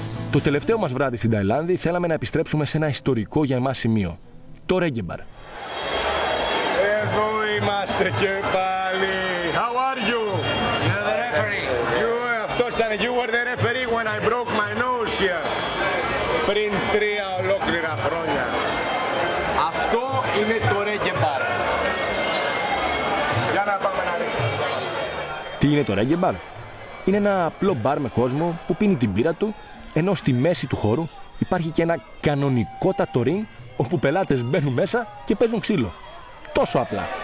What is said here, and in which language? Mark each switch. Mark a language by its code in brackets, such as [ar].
[el] Το τελευταίο μας βράδυ στην Ταϊλάνδη θέλαμε να επιστρέψουμε σε ένα ιστορικό για εμάς σημείο. Το Reggae Bar. Εδώ είμαστε και πάλι. [en] How are you? You're the referee. You, [el] αυτός ήταν, [en] you were the referee when I broke my nose here. [el] Πριν 3 ολόκληρα χρόνια. Αυτό είναι το Reggae Bar. Για να πάμε να ρίξουμε. Τι είναι το Reggae Bar? Είναι ένα απλό μπαρ με κόσμο που πίνει την μπύρα του, ενώ στη μέση του χώρου υπάρχει και ένα κανονικότατο ring όπου πελάτες μπαίνουν μέσα και παίζουν ξύλο. Τόσο απλά.